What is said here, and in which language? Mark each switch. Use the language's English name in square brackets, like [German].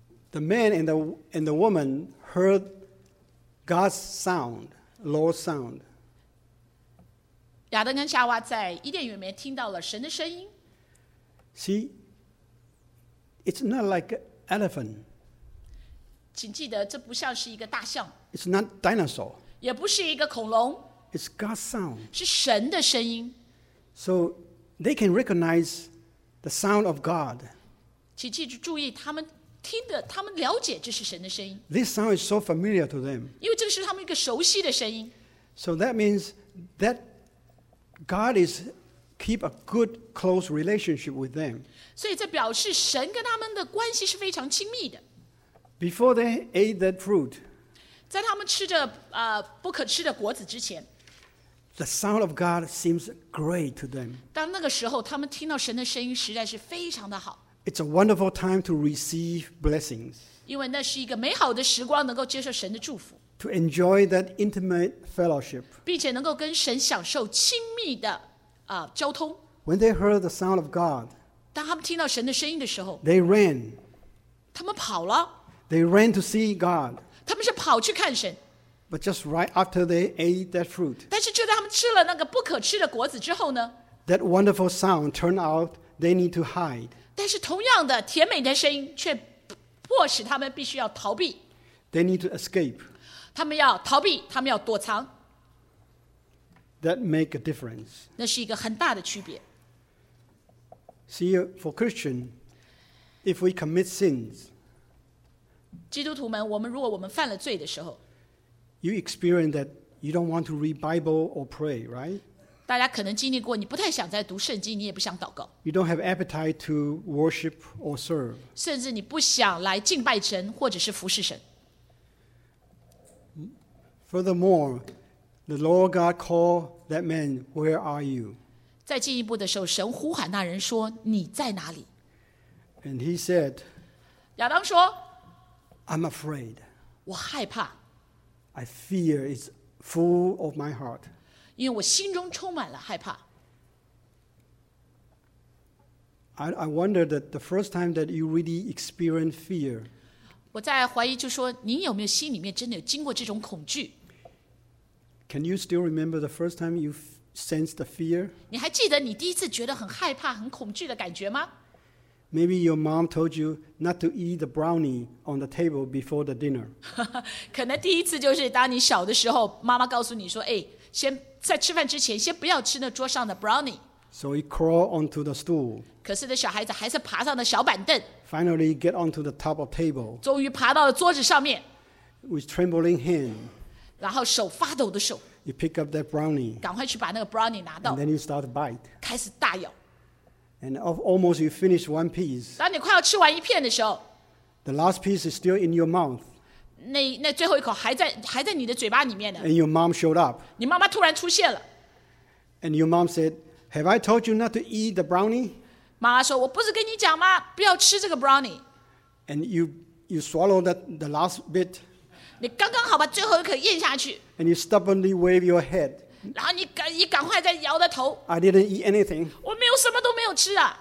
[English] The man and the woman heard God's sound, Lord's sound. [Chinese] 亚当跟夏娃在伊甸园里面听到了神的声音。 [English] See, it's not like an elephant. [Chinese] 请记得这不像是一个大象。 [English] It's not dinosaur. [Chinese] 也不是一个恐龙。 [English] It's God's sound. [Chinese] 是神的声音。 [English] So they can recognize the sound of God. [Chinese] 请记住注意, 他们听的, 他们了解这是神的声音。 [English] This sound is so familiar to them. [Chinese] 因为这是他们一个熟悉的声音。 [English] So that means that God is keep a good close relationship with them. [Chinese] 所以这表示神跟他们的关系是非常亲密的。 [English] Before they ate that fruit, [Chinese] 在他们吃着不可吃的果子之前, [English] The sound of God seems great to them. [Chinese] 当那个时候，他们听到神的声音实在是非常的好。 [English] It's a wonderful time to receive blessings. [Chinese] 因为那是一个美好的时光，能够接受神的祝福。 [English] To enjoy that intimate fellowship. [Chinese] 并且能够跟神享受亲密的交通。 [English] When they heard the sound of God, [Chinese] 当他们听到神的声音的时候 [English] ，they ran. [Chinese] 他们跑了。 [English] They ran to see God. [Chinese] 他们是跑去看神。 [English] But just right after they ate that fruit, [Chinese] 但是就在他们吃了那个不可吃的果子之后呢 [English] ？That wonderful sound turned out they need to hide. [Chinese] 但是同样的甜美的声音却迫使他们必须要逃避。 [English] They need to escape. [Chinese] 他们要逃避，他们要躲藏。 [English] That make a difference. [Chinese] 那是一个很大的区别。 [English] See, for Christian, if we commit sins, [Chinese] 基督徒们，我们如果我们犯了罪的时候。 [English] You experience that you don't want to read Bible or pray, right? [Chinese] 大家可能经历过，你不太想再读圣经，你也不想祷告。 [English] You don't have appetite to worship or serve. [Chinese] 甚至你不想来敬拜神，或者是服侍神。 [English] Furthermore, the Lord God called that man, "Where are you?" [Chinese] 再进一步的时候，神呼喊那人说，你在哪里？ [English] And he said, [Chinese] 亚当说， [English] "I'm afraid." [Chinese] 我害怕。 [English] I fear is full of my heart. [Chinese] 因为我心中充满了害怕。 [English] I wonder that the first time that you really experience fear. [Chinese] 我在怀疑，就说您有没有心里面真的有经过这种恐惧 [English] ？Can you still remember the first time you sensed the fear? [Chinese] 你还记得你第一次觉得很害怕、很恐惧的感觉吗 [English] ？Maybe your mom told you not to eat the brownie on the table before the dinner. [Chinese] 可能第一次就是当你小的时候，妈妈告诉你说：“哎，先在吃饭之前，先不要吃那桌上的 brownie。” [English] So he crawled onto the stool. [Chinese] 可是的小孩子还是爬上了小板凳。 [English] Finally, get onto the top of table. [Chinese] 终于爬到了桌子上面。 [English] With trembling hand. [Chinese] 然后手发抖的手。 [English] You pick up that brownie. [Chinese] 赶快去把那个 brownie 拿到。 [English] And then you start to bite. [Chinese] 开始大咬。 [English] And almost you finish one piece. [Chinese] 当你快要吃完一片的时候 [English] ，the last piece is still in your mouth. [Chinese] 那最后一口还在你的嘴巴里面呢。 [English] And your mom showed up. [Chinese] 你妈妈突然出现了。 [English] And your mom said, "Have I told you not to eat the brownie?" [Chinese] 妈妈说，我不是跟你讲吗？不要吃这个 brownie. [English] And you swallow the last bit. [Chinese] 你刚刚好把最后一口咽下去。 [English] And you stubbornly wave your head. [Chinese] 然后你赶快再摇着头。 [English] I didn't eat anything. [Chinese] 我没有什么都没有吃啊。